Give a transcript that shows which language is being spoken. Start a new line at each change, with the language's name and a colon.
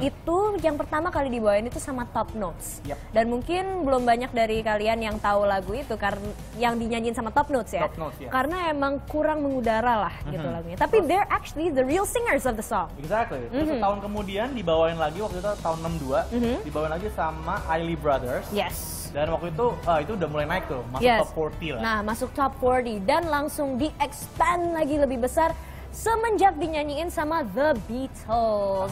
Indonesian: Itu yang pertama kali dibawain itu sama Top Notes.
English: Yep.
Indonesian: Dan mungkin belum banyak dari kalian yang tahu lagu itu karena yang dinyanyiin sama Top Notes ya.
English: Top Notes, yeah.
Indonesian: Karena emang kurang mengudara lah gitu lagunya. Tapi terus,
English: they're actually the real singers of the song. Exactly.
Indonesian: Terus tahun kemudian dibawain lagi, waktu itu tahun 62, dibawain lagi sama Eiley Brothers.
English: Yes.
Indonesian: Dan waktu itu udah mulai naik tuh, masuk top 40 lah. Nah, masuk top 40 dan langsung di-expand lagi lebih besar semenjak dinyanyiin sama The Beatles.